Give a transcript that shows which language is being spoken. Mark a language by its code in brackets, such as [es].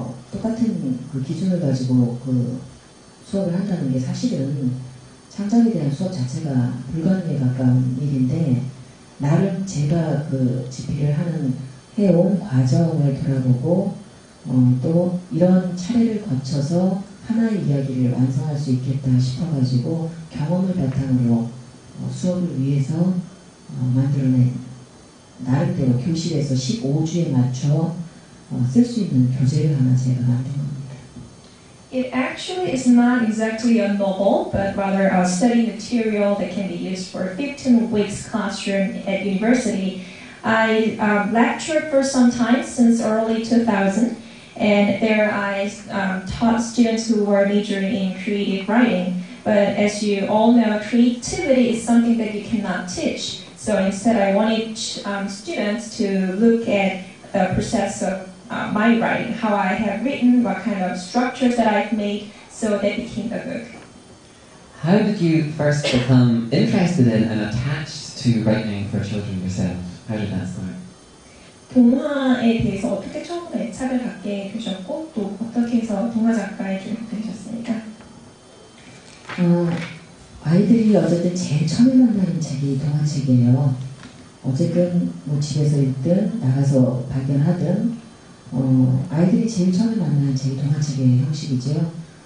[ko] 똑같은 그 기준을 가지고 그 수업을 한다는 게 사실은 창작에 대한 수업 자체가 불가능에 가까운 일인데 나름 제가 그 집필을 하는 해온 과정을 돌아보고 또 이런 차례를 거쳐서 하나의 이야기를 완성할 수 있겠다 싶어가지고 경험을 바탕으로 수업을 위해서 만들어낸 나름대로 교실에서 15주에 맞춰 쓸 수 있는 교재를 하나 제가 만든 겁니다. [en] It actually is not exactly a novel, but rather a study material that can be used for 15 weeks classroom at university. I lectured for some time since early 2000, and there I taught students who were majoring in creative writing. But as you all know, creativity is something that you cannot teach. So instead, I wanted students to look at the process of my writing, how I have written, what kind of structures that I've made, so that became a book. How did you first become interested in and attached to writing for children yourself? How did that start? [ko] 동화에 대해서 어떻게 처음 애착을 갖게 되셨고 또 어떻게 해서 동화 작가에 되셨습니까? 아이들이 어쨌든 제일 처음 만나는 책이 동화책이에요. 어쨌든 뭐 집에서 읽든 나가서 발견하든 아이들이 제일 처음에 만나는 제 동화책의 형식이죠.